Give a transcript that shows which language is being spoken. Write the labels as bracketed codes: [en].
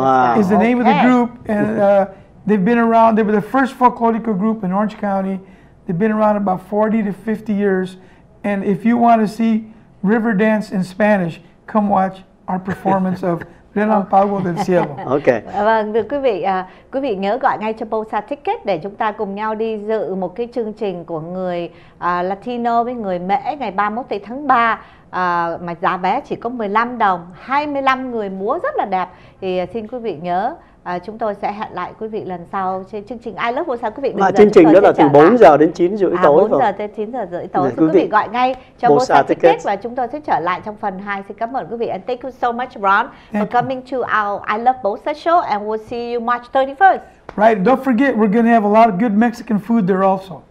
[en] sky. Is the okay. name of the group. And they've been around, they were the first folklorico group in Orange County. They've been around about 40 to 50 years. And if you want to see river dance in Spanish, come watch our performance of Relampago del Cielo. Okay. [vi] Vâng, thưa quý vị nhớ gọi ngay cho Bolsa Ticket để chúng ta cùng nhau đi dự một cái chương trình của người Latino với người Mễ ngày 31 tháng 3 mà giá vé chỉ có 15 đồng, 25 người múa rất là đẹp. Thì xin quý vị nhớ chúng tôi sẽ hẹn lại quý vị lần sau trên chương trình I Love Bolsa. Quý vị đừng rời chương trình, đó là từ 4 giờ đến 9 rưỡi tối. 4 giờ tới 9 giờ rưỡi tối. Quý vị gọi ngay cho Bolsa Ticket và chúng tôi sẽ trở lại trong phần 2. Xin cảm ơn quý vị. [en] And thank you so much, Ron, for coming to our I Love Bolsa show, and we'll see you March 31st. Right, don't forget, we're going to have a lot of good Mexican food there also.